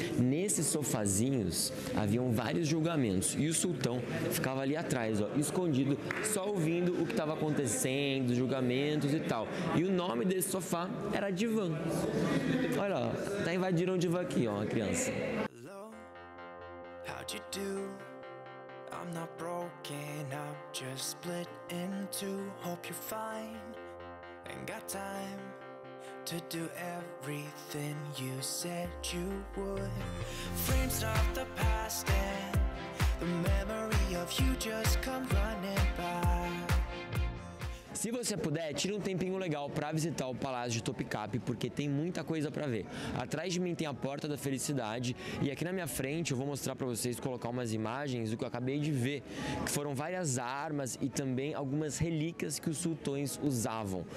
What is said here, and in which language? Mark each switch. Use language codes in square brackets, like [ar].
[pt] Nesses sofazinhos haviam vários julgamentos e o sultão ficava ali atrás, ó, escondido, só ouvindo o que estava acontecendo, julgamentos e tal. E o nome desse sofá era divan. Olha, ó, tá invadindo um divan aqui, ó, uma criança. [en] Hello, how'd you do? I'm not broken, I'm just split in two. Hope you're fine and got time to do everything you said you would. Frames of the past and the memory of you just come running by. [pt] Se você puder, tira um tempinho legal para visitar o Palácio de Topkapi, porque tem muita coisa para ver. Atrás de mim tem a Porta da Felicidade e aqui na minha frente eu vou mostrar para vocês, colocar umas imagens do que eu acabei de ver, que foram várias armas e também algumas relíquias que os sultões usavam.